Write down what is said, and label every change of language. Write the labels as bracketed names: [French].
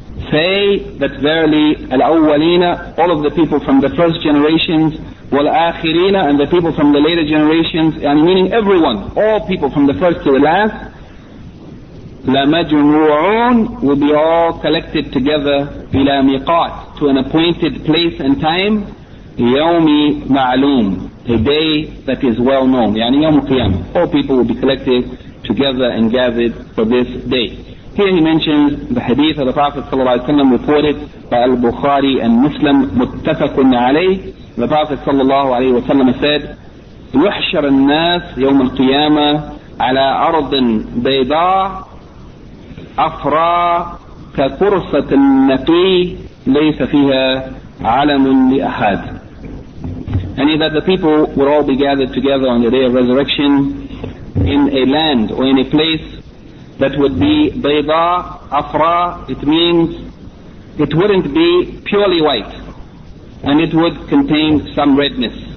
[English] Say that verily الْأَوَّلِينَ, all of the people from the first generations, وَالْآخِرِينَ, and the people from the later generations, and meaning everyone, all people from the first to the last, لَمَجْمُوعُونَ, will be all collected together, [Arabic] إِلَى مِقَاتِ, [English] to an appointed place and time, [Arabic] يَوْمِ مَعْلُومٍ, [English] a day that is well known, [Arabic] يعني يوم القيامة. [English] All people will be collected together and gathered for this day. Here he mentions the hadith of the Prophet صلى الله عليه وسلم reported by Al-Bukhari and Muslim, [Arabic] مُتَّفَقٌ عَلَيْهِ. [English] The Prophet [Arabic] صلى الله عليه وسلم [English] said, [Arabic] يُحْشَرَ النَّاسِ يَوْمَ الْقِيَامَةِ عَلَىٰ أَرْضٍ بَيْضَىٰ أَفْرَىٰ كَقُرْصَةٍ نَقِيٍّ لَيْسَ فِيهَا عَلَمٌ لِأَحَدٍ. [English] and that the people would all be gathered together on the day of resurrection in a land or in a place that would be bayda, afra. It means it wouldn't be purely white, and it would contain some redness.